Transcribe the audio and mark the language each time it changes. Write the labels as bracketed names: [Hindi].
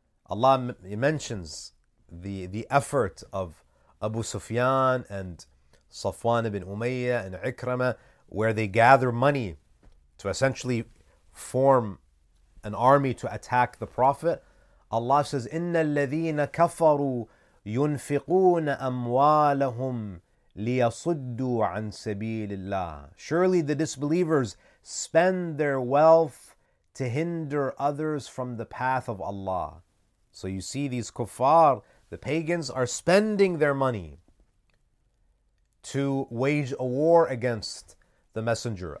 [English] Allah mentions the effort of Abu Sufyan and Safwan ibn Umayyah and Ikramah, where they gather money to essentially form an army to attack the Prophet. [Arabic] Allah says, إِنَّ الَّذِينَ كَفَرُوا يُنْفِقُونَ أَمْوَالَهُمْ لِيَصُدُّوا عَن سَبِيلِ اللَّهِ. [English] Surely the disbelievers spend their wealth to hinder others from the path of Allah. So you see, these kuffar, the pagans, are spending their money to wage a war against the Messenger.